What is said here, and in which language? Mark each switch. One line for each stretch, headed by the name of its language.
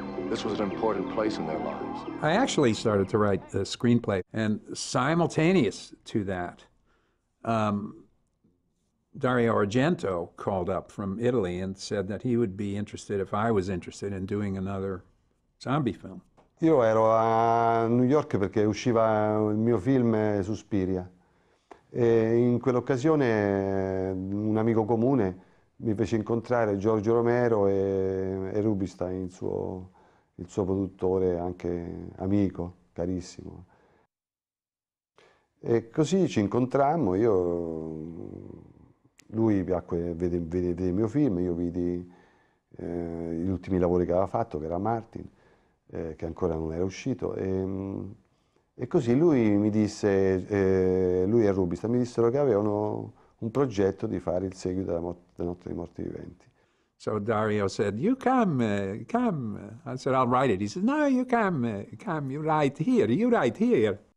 English: This was an important place in their lives. I actually started to write the screenplay, and simultaneous to that, Dario Argento called up from Italy and said that he would be interested, if I was interested, in doing another zombie film.
Italian: Io ero a New York perché usciva il mio film Suspiria. E in quell'occasione un amico comune mi fece incontrare Giorgio Romero e Rubinstein, il suo produttore, anche amico, carissimo. E così ci incontrammo, io... Lui piacque, vede il mio film, io vidi gli ultimi lavori che aveva fatto, che era Martin, che ancora non era uscito. E così lui mi disse, lui e Rubista mi dissero che avevano un progetto di fare il seguito della Notte dei Morti Viventi.
English: So Dario said, you come. I said, I'll write it. He said, no, you come, you write here.